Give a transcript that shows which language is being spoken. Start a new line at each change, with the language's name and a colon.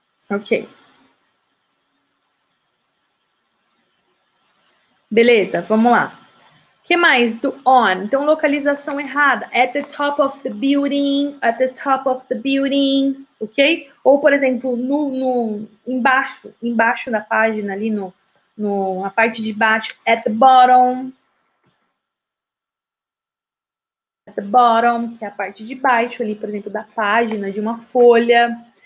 English: Ok.
Portuguese: Beleza, vamos lá. O que mais do on? Então, localização errada.
English: At the top of the building. At the top of the building. Ok?
Portuguese: Ou, por exemplo, embaixo da página, ali na parte de baixo.
English: At the bottom. At the bottom,
Portuguese: que é a parte de baixo ali, por exemplo, da página, de uma folha.